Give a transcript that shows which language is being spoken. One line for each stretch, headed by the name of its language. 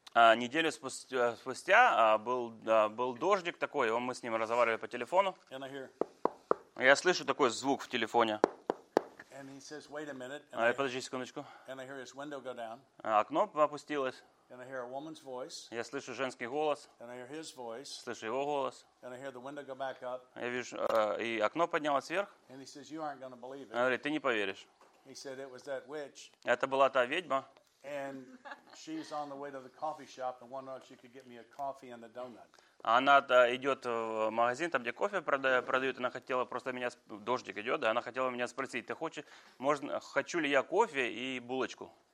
Russian: Неделю спустя был дождик такой, мы с ним разговаривали по телефону.
English: And I hear.
Russian: Я слышу такой звук в телефоне.
English: And he says, wait a minute.
Russian: And подожди секундочку.
English: And I hear his window go down.
Russian: Окно опустилось.
English: And I hear a woman's voice.
Russian: Я слышу женский голос.
English: And I hear his voice.
Russian: Слышу его голос.
English: And I hear the window go back up.
Russian: Я вижу, и окно поднялось вверх.
English: And he says, you aren't gonna believe it.
Russian: Он говорит, ты не поверишь.
English: He said, it was that witch.
Russian: Это была та ведьма.
English: And she's on the way to the coffee shop and wondering if she could get me a coffee and a donut.
Russian: Она идет в магазин, там, где кофе продают, она хотела просто меня, дождик идет, да, она хотела меня спросить, ты хочешь, можно, хочу ли я кофе и булочку?